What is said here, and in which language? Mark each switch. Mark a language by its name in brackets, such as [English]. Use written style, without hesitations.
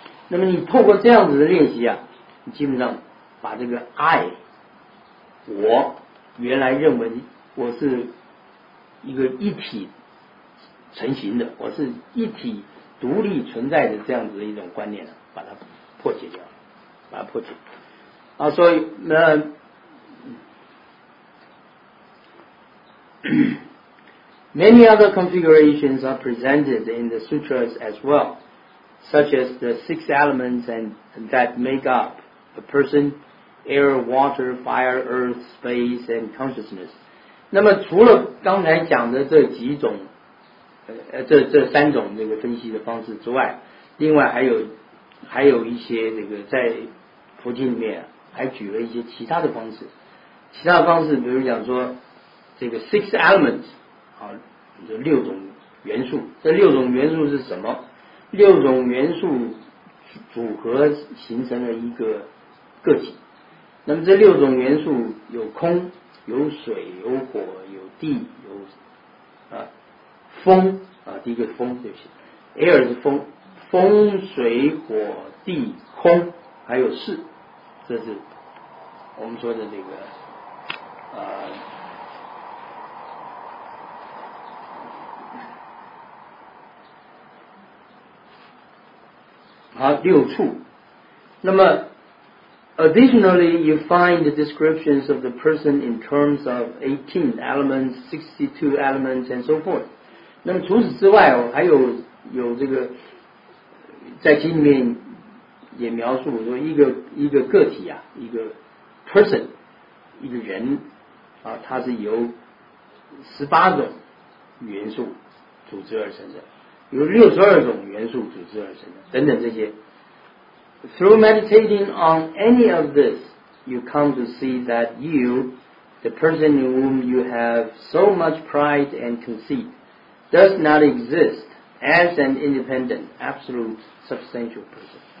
[Chinese] 那么你透过这样子的练习啊，你基本上把这个爱我原来认为我是一个一体成型的，我是一体独立存在的这样子的一种观念，把它破解掉，把它破解啊。所以那 [English] many other configurations are presented in the sutras as well, such as the six elements and that make up a person, air, water, fire, earth, space, and consciousness. [Chinese] 那么除了刚才讲的这几种，这三种这个分析的方式之外，另外还有一些这个在佛经里面还举了一些其他的方式，其他的方式比如讲说这个 six elements 啊，这六种元素，这六种元素是什么？六种元素组合形成了一个个体。那么这六种元素有空、有水、有火、有地、有风啊，第一个风就行 ，air 是风，风、水、火、地、空，还有事，这是我们说的这个六处。那么 [English] additionally you find the descriptions of the person in terms of 18 elements, 62 elements and so forth. [Chinese] 那么除此之外还有这个在经里面也描述说一个个体啊，一个 person, 一个人啊，它是由18种元素组织而成的，有62种元素组织而成的等等这些。 [English] Through meditating on any of this, you come to see that you, the person in whom you have so much pride and conceit, does not exist as an independent, absolute, substantial person.